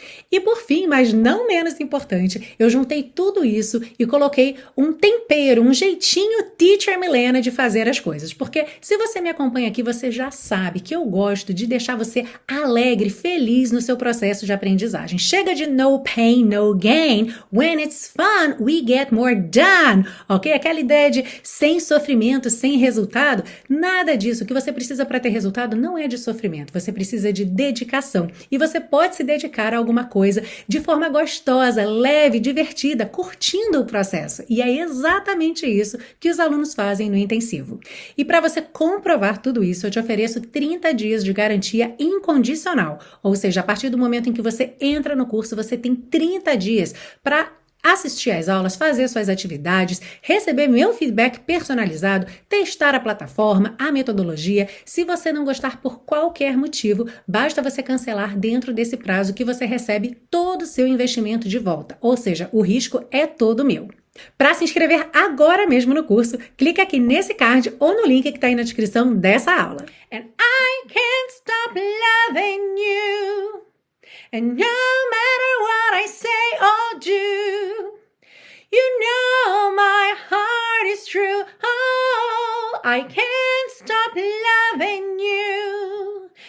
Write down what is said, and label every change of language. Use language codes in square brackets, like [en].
[pt] E por fim, mas não menos importante, eu juntei tudo isso e coloquei um tempero, um jeitinho Teacher Milena de fazer as coisas. Porque se você me acompanha aqui, você já sabe que eu gosto de deixar você alegre, feliz no seu processo de aprendizagem. Chega de [en] no pain, no gain. When it's fun, we get more done. [pt] Ok? Aquela ideia de sem sofrimento, sem resultado. Nada disso. O que você precisa para ter resultado não é de sofrimento. Você precisa de dedicação. E você pode se dedicar a alguma coisa de forma gostosa, leve, divertida, curtindo o processo. E é exatamente isso que os alunos fazem no intensivo. E para você comprovar tudo isso, eu te ofereço 30 dias de garantia incondicional. Ou seja, a partir do momento em que você entra no curso, você tem 30 dias para assistir às aulas, fazer suas atividades, receber meu feedback personalizado, testar a plataforma, a metodologia. Se você não gostar por qualquer motivo, basta você cancelar dentro desse prazo que você recebe todo o seu investimento de volta. Ou seja, o risco é todo meu. Para se inscrever agora mesmo no curso, clique aqui nesse card ou no link que está aí na descrição dessa aula. [en] And I can't stop loving you. And no matter what I say or do, you know my heart is true. Oh, I can't stop loving you.